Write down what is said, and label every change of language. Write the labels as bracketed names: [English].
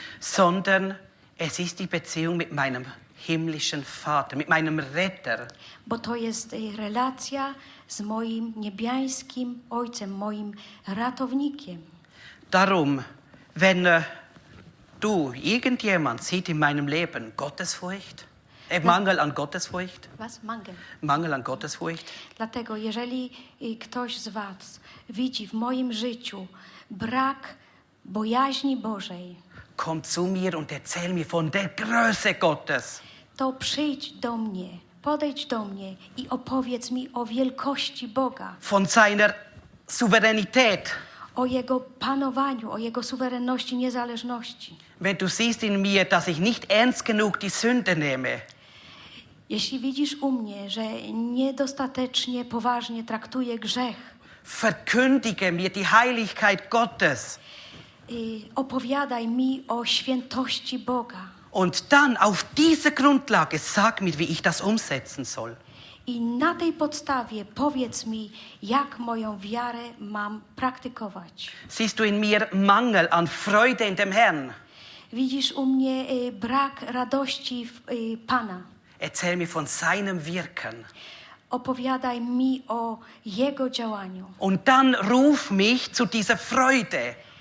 [German] Sondern es ist die Beziehung mit meinem himmlischen Vater, mit meinem Retter. [Polish] Bo to jest relacja z moim niebiańskim ojcem, moim ratownikiem. [German] Darum, wenn du, irgendjemand sieht in meinem Leben Gottesfurcht, Mangel an Gottesfurcht. Was? Mangel. Mangel an Gottesfurcht. [Polish] Dlatego, jeżeli ktoś z was widzi w moim życiu brak bojaźni Bożej, [German] komm zu mir und erzähl mir von der Größe Gottes. [Polish] To przyjdź do mnie, podejdź do mnie i opowiedz mi o wielkości Boga. [German] Von seiner Souveränität. [Polish] O jego panowaniu, o jego suwerenności, niezależności. [German] Wenn du siehst in mir, dass ich nicht ernst genug die Sünde nehme. [Polish] Jeśli widzisz u mnie, że niedostatecznie poważnie traktuję grzech. [German] Verkündige mir die Heiligkeit Gottes. [Polish] Opowiadaj mi o świętości Boga. [German] Und dann auf dieser Grundlage sag mir, wie ich das umsetzen soll. [Polish] I na tej podstawie powiedz mi, jak moją wiarę mam praktykować. [German] Siehst du in mir Mangel an Freude in dem Herrn? [Polish] Widzisz u mnie brak radości w Pana. [German] Erzähl mir von seinem Wirken. [Polish] Opowiadaj mi o jego działaniu. [German] Und dann ruf mich zu dieser Freude.